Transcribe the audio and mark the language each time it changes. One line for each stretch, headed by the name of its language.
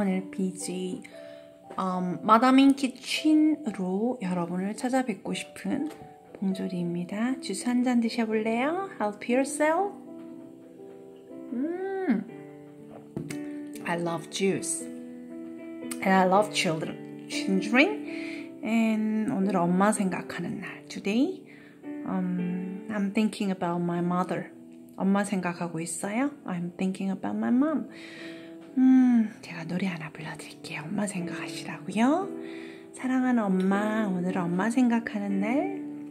Korean: 오늘 비지 마담인 키친으로 여러분을 찾아뵙고 싶은 봉조리입니다. 주스 한 잔 드셔볼래요?
English: Help yourself. I love juice. And I love children.
Korean: And 오늘 엄마 생각하는 날.
English: Today, I'm thinking about my mother.
Korean: 엄마 생각하고 있어요?
English: I'm thinking about my mom.
Korean: 제가 노래 하나 불러드릴게요. 엄마 생각하시라고요. 사랑하는 엄마, 오늘 엄마 생각하는 날.